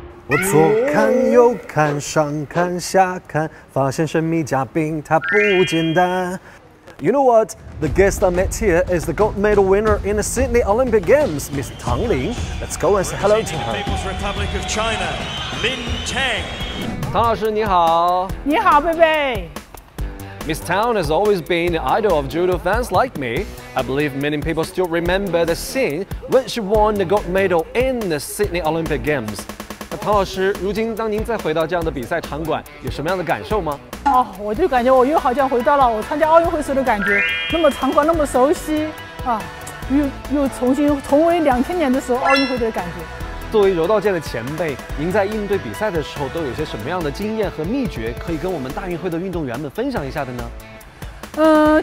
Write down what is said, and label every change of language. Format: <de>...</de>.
<zh>我左看右看，上看下看，发现神秘嘉宾他不简单。</zh> <en>You know what? The guest I met here is the gold medal winner in the Sydney Olympic Games, Miss Tang Lin. Let's go and say hello to her. People's Republic of China, Lin Tang.</en> <zh>唐老师你好。你好，贝贝。</zh> <en>Miss Tang has always been an idol of judo fans like me. I believe many people still remember the scene when she won the gold medal in the Sydney Olympic Games.</en> <zh>唐老师，如今当您再回到这样的比赛场馆，有什么样的感受吗？哦，我就感觉我又好像回到了我参加奥运会时的感觉，那么场馆那么熟悉啊，又重新重温2000年的时候奥运会的感觉。作为柔道界的前辈，您在应对比赛的时候都有些什么样的经验和秘诀可以跟我们大运会的运动员们分享一下的呢？</zh>